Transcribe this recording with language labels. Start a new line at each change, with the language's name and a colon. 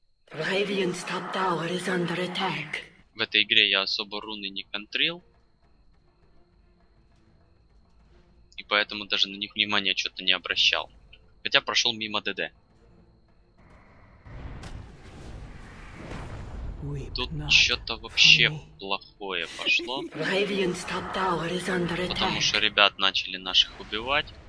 English: Radiant's top tower is under attack.
Russian: В этой игре я особо руны не контрил. И поэтому даже на них внимания что-то не обращал. Хотя прошел мимо ДД. Тут что-то вообще плохое пошло.
English: Radiant's top tower is under attack.
Russian: Потому что ребят начали наших убивать.